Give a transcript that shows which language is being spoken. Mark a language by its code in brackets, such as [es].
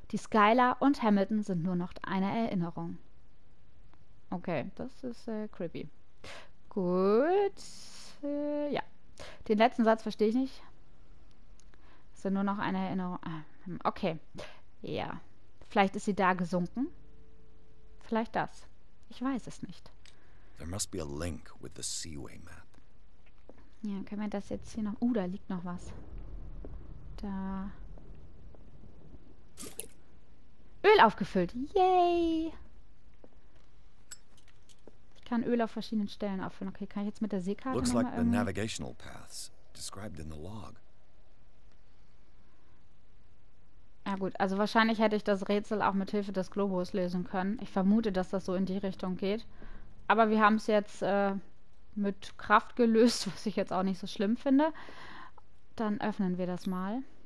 [de] Die Skylar und Hamilton sind nur noch eine Erinnerung. Okay, das ist creepy. Gut. Ja. Den letzten Satz verstehe ich nicht. Sind nur noch eine Erinnerung. Okay. Ja, vielleicht ist sie da gesunken. Vielleicht das. Ich weiß es nicht. [en] There must be a link with the Seaway map. [de] Ja, können wir das jetzt hier noch... da liegt noch was. Da. Öl aufgefüllt. Yay! Ich kann Öl auf verschiedenen Stellen auffüllen. Okay, kann ich jetzt mit der Seekarte [en] Looks [de] nochmal [en] like the navigational paths described in the log. [de] Ja gut, also wahrscheinlich hätte ich das Rätsel auch mit Hilfe des Globus lösen können. Ich vermute, dass das so in die Richtung geht. Aber wir haben es jetzt mit Kraft gelöst, was ich jetzt auch nicht so schlimm finde. Dann öffnen wir das mal.